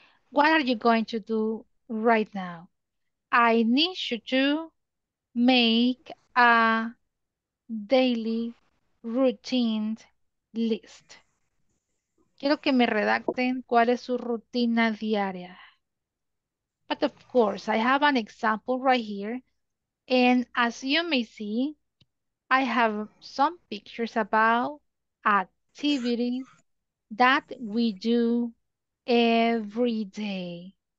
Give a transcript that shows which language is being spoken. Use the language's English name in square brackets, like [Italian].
[English] What are you going to do right now? I need you to make a daily routine list. [Spanish] Quiero que me redacten cuál es su rutina diaria. [English] But of course, I have an example right here. And as you may see, I have some pictures about activities that we do every day.